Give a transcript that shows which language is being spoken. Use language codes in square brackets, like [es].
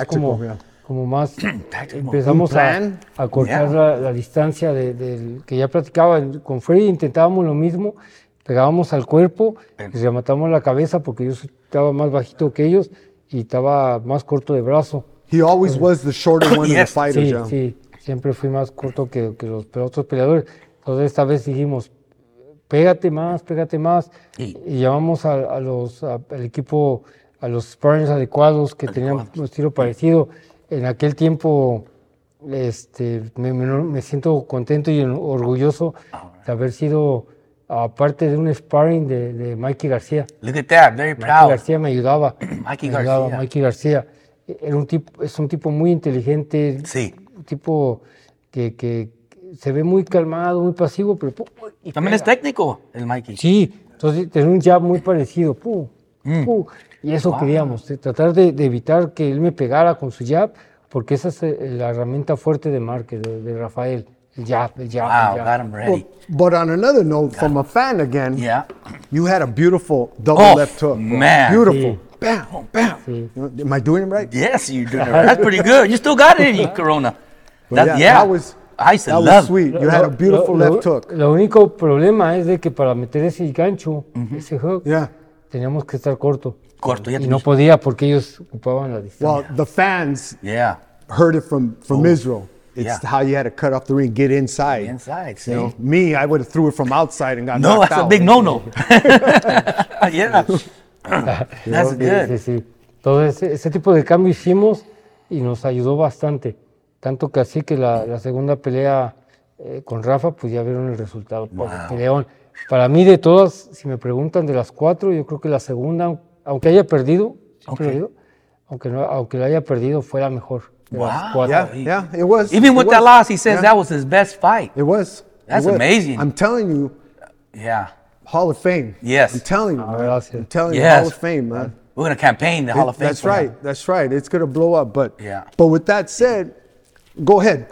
[es] táctico, como más empezamos a cortar la distancia del que ya platicaba. Con Freddy intentábamos lo mismo, pegábamos al cuerpo, les rematábamos la cabeza porque yo estaba más bajito que ellos y estaba más corto de brazo. [en] He always was the shorter one of the fighters. [es] Sí, siempre fui más corto que los otros peleadores. Entonces esta vez dijimos, pégate más. Sí. Y llamamos al equipo, a los sparrings adecuados que tenían un estilo parecido. En aquel tiempo, me siento contento y orgulloso de haber sido parte de un sparring de Mikey García. [en] Look at that, very proud. [es] Mikey García me ayudaba. Mikey García. Es un tipo muy inteligente. Sí. Un tipo que se ve muy calmado, muy pasivo, pero y también pega. Es técnico, el Mikey. Sí. Entonces tiene un jab muy parecido. Y eso queríamos, tratar de evitar que él me pegara con su jab, porque esa es la herramienta fuerte de Márquez, de Rafael, el jab. [en] Wow, got him ready. But on another note, got from him. A fan again, yeah. You had a beautiful double left hook. Man. Beautiful. Sí. Bam, bam. Sí. Am I doing it right? Yes, you're doing it right. That's pretty good. You still got it in you, Corona. That was sweet. You had a beautiful left hook. [es] Lo único problema es de que para meter ese gancho, ese hook, teníamos que estar corto. Corto, ya y no podía porque ellos ocupaban la distancia. [en] Well, the fans heard it from Israel. It's how you had to cut off the ring, get inside. Inside, see. You know, me, I would have threw it from outside and got knocked out. No, that's a big no-no. That's good. [es] Sí. Entonces, ese tipo de cambio hicimos y nos ayudó bastante. Tanto que así que la segunda pelea con Rafa, pues ya vieron el resultado. Wow. Peleón. Para mí, de todas, si me preguntan de las cuatro, yo creo que la segunda, aunque haya perdido, aunque la haya perdido, fue la mejor. Wow. [en] It was. Even with that loss, he says that was his best fight. It was. That's amazing. I'm telling you. Yeah. Hall of Fame. Yes. I'm telling you. Man. Hall of Fame, man. We're going to campaign the Hall of Fame. That's right. That's right. It's going to blow up. But with that said, go ahead.